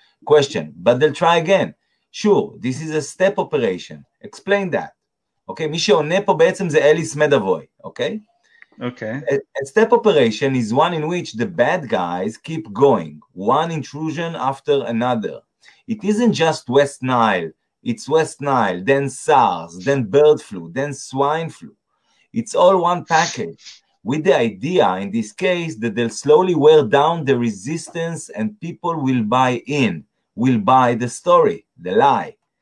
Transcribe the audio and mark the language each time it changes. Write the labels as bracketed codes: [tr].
[en] Question, but they'll try again. Sure, this is a step operation. Explain that. [he] אוקיי, מי שעונה פה בעצם זה אליס מדבוי, אוקיי? אוקיי. [en] A step operation is one in which the bad guys keep going, one intrusion after another. It isn't just West Nile, it's West Nile, then SARS, then bird flu, then swine flu. It's all one package, with the idea in this case that they'll slowly wear down the resistance and people will buy in, will buy the story, the lie.